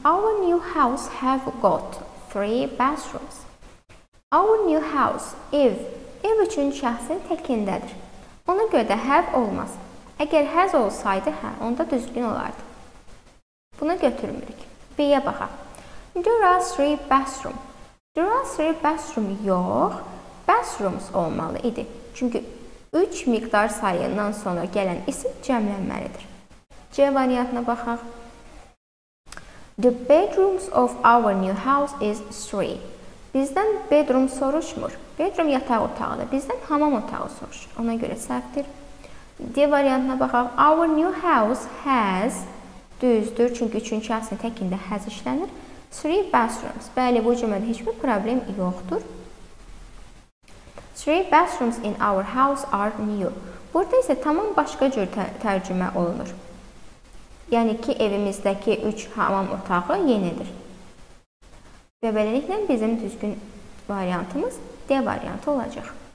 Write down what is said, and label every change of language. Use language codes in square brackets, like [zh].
[en] Our new house have got 3 bathrooms. Our new house, [az] ev. Ev üçüncü şəxsin təkindədir. Ona görə də have olmaz. Əgər həz olsaydı, hə, onda düzgün olardı. Bunu götürmürük. B-yə baxa. [en] There are three bathrooms. There are three bathrooms. [az] Yox, bathrooms olmalı idi. Çünki 3 miqdar sayından sonra gələn isim cəmlənməlidir. C variantına baxaq. [en] The bedrooms of our new house is three. [az] Bizdən bedroom soruşmur. Bedroom yataq otağıdır. Bizdən hamam otağı soruşur. Ona görə səhvdir. D variantına baxaq. [en] Our new house has, [az] düzdür, çünki üçüncü şəxsin təkində has işlənir. [en] Three bathrooms. [az] Bəli, bu cümlədə heç bir problem yoxdur. [en] Three bathrooms in our house are new. [az] Burada isə tamam başqa cür tərcümə olunur. Yəni ki, evimizdəki 3 hamam otağı yenidir. Və beləliklə bizim düzgün variantımız D variantı olacaq.